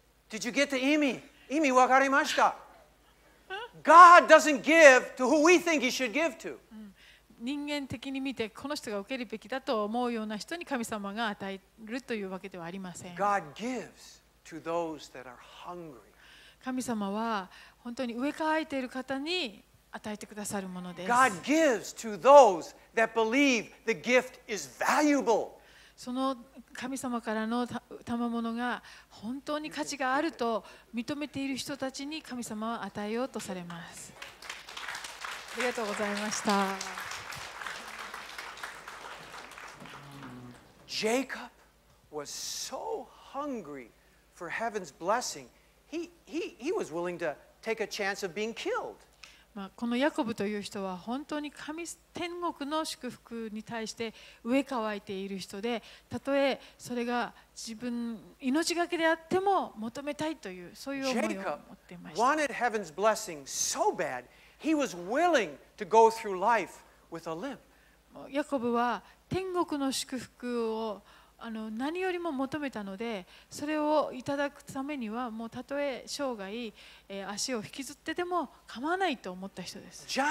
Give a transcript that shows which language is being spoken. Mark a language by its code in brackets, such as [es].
[en] Did you get the [ja] 意味？ 意味わかりました。 [en] God doesn't give to who we think he should give to. [ja] 人間的に見てこの人が受けるべきだと思うような人に神様が与えるというわけではありません。 [en] God gives to those that are hungry. [ja] 神様は本当に飢え渇いている方に与えてくださるものです。 [en] God gives to those that believe the gift is valuable. [ja] その神様からの賜物が本当に価値があると認めている人たちに神様は与えようとされます。ありがとうございました。 [en] Jacob was so hungry for heaven's blessing, he was willing to take a chance of being killed. [ja] まあこのヤコブという人は本当に神天国の祝福に対して飢え渇いている人で、たとえそれが自分命がけであっても求めたいというそういう思いを持っていました。 [en] Jacob wanted heaven's blessing so bad, he was willing to go through life with a limp. [ja] ヤコブは天国の祝福を何よりも求めたので、それをいただくためにはもうたとえ生涯足を引きずってでも構わないと思った人です。